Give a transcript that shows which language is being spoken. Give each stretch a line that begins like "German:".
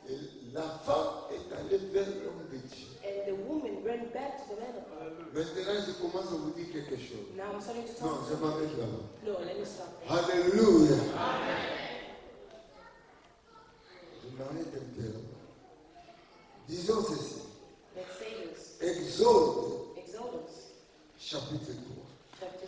French: Et la femme est allée vers l'homme de Dieu.
English: And the woman ran back to the man of God.
French: Maintenant, je commence à vous dire quelque chose.
English: Now I'm starting to talk.
French: Non, je m'arrête là.
English: No, let me stop. Alléluia. Amen.
French: Je m'arrête un peu. Disons ceci.
English: Let's say this.
French: Exode. Chapitre 3.